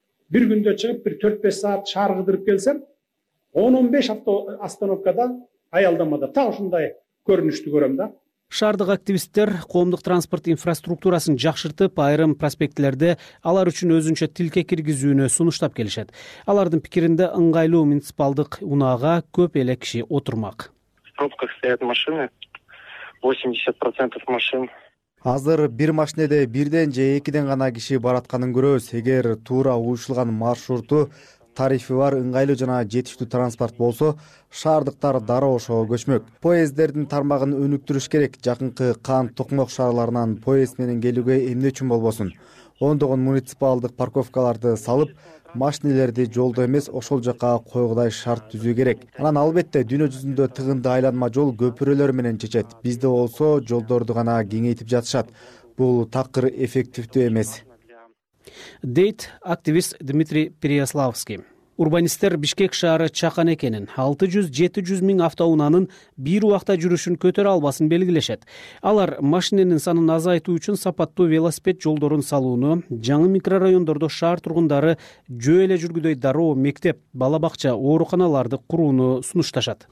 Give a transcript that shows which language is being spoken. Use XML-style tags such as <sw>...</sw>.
<ky>Бир күндө чыгып бир 4-5 саат шаар кыдырып келсем, 10-15 остановкада аялдамада так ушундай көрүнүштү көрөм да. Шаардык активисттер коомдук транспорт инфраструктурасын жакшыртып, айрым проспектилерде алар үчүн өзүнчө тилке киргизүүнү сунуштап келишет. Алардын пикиринде ыңгайлуу муниципалдык унаага көп эле киши отурмак.</ky> <ru>Пробках стоят машины, 80% машин.</ru> <ky>Азыр бир машинеде бирден же экиден гана киши баратканын көрөбүз. Эгер туура уюшулган маршруту, тарифи бар ыңгайлуу жана жетиштүү транспорт болсо, шаардыктар дароо ошого көчмөк. Поезддердин тармагын өнүктүрүш керек. Жакынкы Кан, Токмок шаарларынан поезд менен келүүгө эмне үчүн болбосун? Ондогон муниципалдык парковкаларды салып, машинелерди жолдо эмес ошол жакка койгудай шарт түзүү керек. Анан албетте дүйнө жүзүндө тыгынды айланма жол көпүрөлөр менен чечет. Бизде болсо жолдорду гана кеңейтип жатышат. Бул такыр эффективдүү эмес. Дейт активист Дмитрий Переяславский. Урбанисттер Бишкек шаары чакан экенин, 600-700 миң автоунанын бир убакта жүрүшүн көтөрө албасын белгилешет. Алар машиненин санын азайтуу үчүн сапаттуу велосипед жолдорун салууну, жаңы микрорайондордо шаар тургундары жөө эле жүргүдөй дароо мектеп, бала бакча, ооруканаларды курууну сунушташат.</ky>